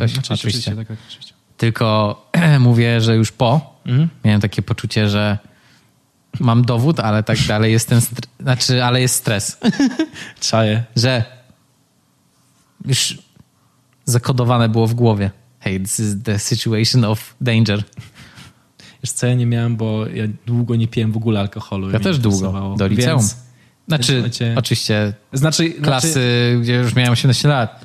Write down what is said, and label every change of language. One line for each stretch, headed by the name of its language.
Polish: Oczywiście. Tylko mówię, że już po, miałem takie poczucie, że mam dowód, ale tak dalej jest ten, ale jest stres. Czaję. Że już zakodowane było w głowie.
English: Hey, this is the situation of danger.
Polish: Wiesz co, ja nie miałem, bo ja długo nie piłem w ogóle alkoholu. Ja też długo, do liceum. Znaczy, oczywiście, klasy, gdzie już miałem 18 lat.